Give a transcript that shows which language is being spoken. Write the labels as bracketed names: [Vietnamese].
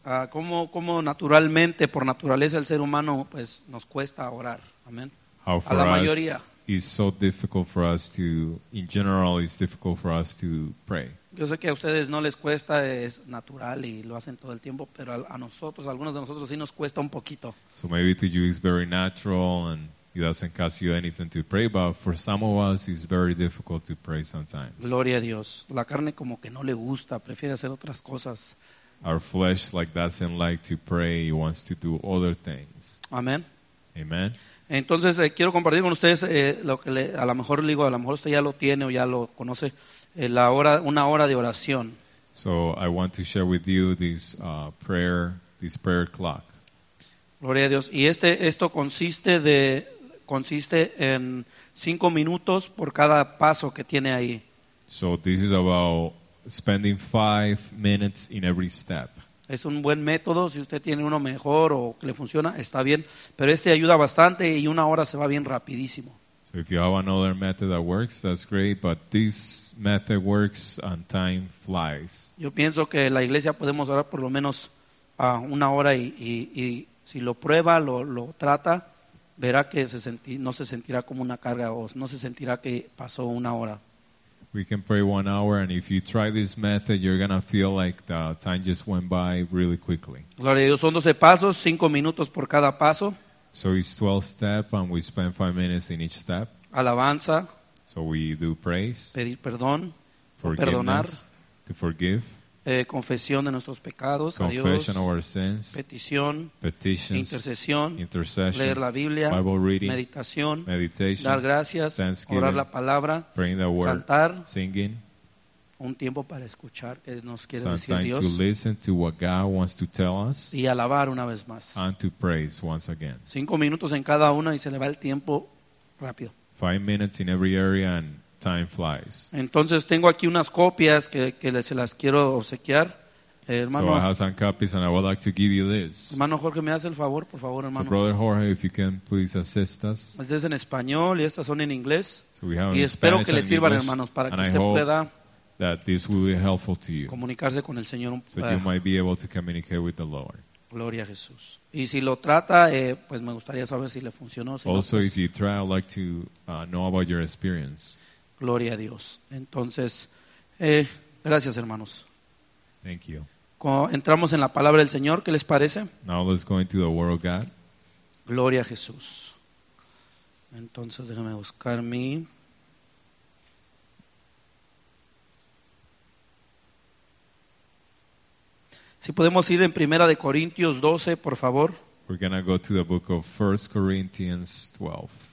[Spanish] Cómo naturalmente, por naturaleza, el ser humano, pues, nos cuesta orar. Amén. [English] How for [Spanish] a la mayoría. [English] Us is so difficult for us to, in general, it's difficult for us to pray. [Spanish] Yo sé que a ustedes no les cuesta, es natural y lo hacen todo el tiempo, pero a nosotros, a algunos de nosotros, sí nos cuesta un poquito. [English] So maybe to you it's very natural and it doesn't cost you anything to pray, but for some of us, it's very difficult to pray sometimes. [Spanish] Gloria a Dios. La carne como que no le gusta, prefiere hacer otras cosas. [English] Our flesh like doesn't like to pray, it wants to do other things. Amen. Amen. [Spanish] Entonces, quiero compartir con ustedes lo que a lo mejor le digo, a lo mejor usted ya lo tiene o ya lo conoce, la hora, una hora de oración. [English] So, I want to share with you this prayer clock. [Spanish] Gloria a Dios. Y esto consiste de... consiste en 5 minutos por cada paso que tiene ahí. [English] So this is about spending 5 minutes in every step. [Spanish] Es un buen método, si usted tiene uno mejor o que le funciona, está bien, pero este ayuda bastante y una hora se va bien rapidísimo. [English] So if you have another method that works, that's great, but this method works and time flies. [Spanish] Yo pienso que la iglesia podemos orar por lo menos a una hora y si lo prueba, lo trata, verá que no se sentirá como una carga o no se sentirá que pasó una hora. [English] We can pray 1 hour, and if you try this method, you're going to feel like the time just went by really quickly. [Spanish] Gloria a Dios, son 12 pasos, 5 minutos por cada paso. [English] So it's 12 steps, and we spend 5 minutes in each step. [Spanish] Alabanza. [English] So we do praise. [Spanish] Pedir perdón. [English] Forgiveness. [Spanish] Perdonar. [English] To forgive. [Spanish] Confesión de nuestros pecados a Dios. [English] Confession of our sins. [Spanish] Petición. [English] Petitions. [Spanish] Intercesión. [English] Intercession. [Spanish] Leer la Biblia. [English] Bible reading. [Spanish] Meditación. [English] Meditation. [Spanish] Dar gracias. [English] Thanksgiving. [Spanish] Orar la palabra. [English] Praying the word. [Spanish] Cantar. [English] Singing. [Spanish] Un tiempo para escuchar que nos quiere [English] Sometime [Spanish] decir Dios. [English] To listen to what God wants to tell us. [Spanish] Y alabar una vez más. [English] And to praise once again. [Spanish] 5 minutos en cada una y se le va el tiempo rápido. [English] 5 minutes in every area and time flies. [Spanish] Entonces tengo aquí unas copias que se las quiero obsequiar, hermano. [English] So I have some copies and I would like to give you this. [Spanish] Hermano Jorge, me hace el favor, por favor, hermano. [English] So brother Jorge, if you can please assist us. [Spanish] Estas en español y estas son en inglés. [English] So we have [Spanish] y espero [English] Spanish [Spanish] que les sirvan, [English] English, [Spanish] hermanos, para que usted pueda [English] that this will be helpful to you. [Spanish] Comunicarse con el Señor. [English] So you might be able to communicate with the Lord. [Spanish] Gloria a Jesús. Y si lo trata, pues me gustaría saber si le funcionó. Si [English] also, [Spanish] no, pues, [English] if you try, I'd like to know about your experience. [Spanish] Gloria a Dios. Entonces, gracias, hermanos. [English] Thank you. [Spanish] Entramos en la palabra del Señor, ¿qué les parece? [English] Now let's go into the word of God. [Spanish] Gloria a Jesús. Entonces, déjame buscar mi... Si podemos ir en Primera de Corintios 12, por favor. [English] We're going to go to the book of 1 Corinthians 12.